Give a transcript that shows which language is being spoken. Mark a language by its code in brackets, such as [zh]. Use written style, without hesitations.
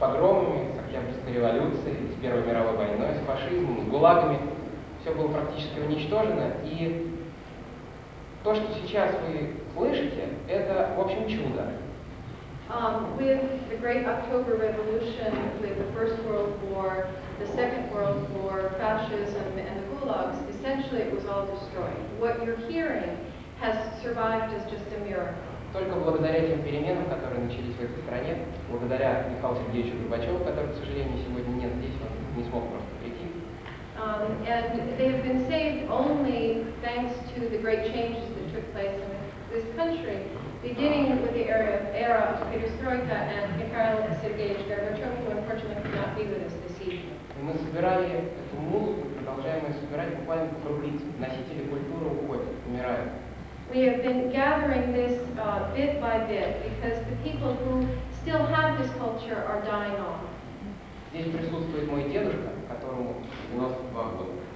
[ru] погромами, с Октябрьской революцией, с Первой мировой войной, с фашизмом, с гулагами. Все было практически уничтожено. И то, что сейчас вы слышите, это, в общем, чудо. [en] With the Great October Revolution, with the First World War, the Second World War, fascism, and the gulags, essentially it was all destroyed. What you're hearing has survived as just a miracle. [ru] Только благодаря тем переменам, которые начались в этой стране, благодаря Михаилу Сергеевичу Горбачеву, который, к сожалению, сегодня нет здесь, он не смог просто прийти. [en] And they have been saved only thanks to the great changes that took place in this country, beginning with the era of Perestroika and Mikhail Sergeyevich Gorbachev, who unfortunately cannot be with us this evening. [ru] Мы собирали эту музыку, продолжаем ее собирать буквально по крупицам. Носители культуры уходят, умирают. [en] We have been gathering this bit by bit because the people who still have this culture are dying off. [ru] Здесь присутствует мой дедушка, которому 92 года.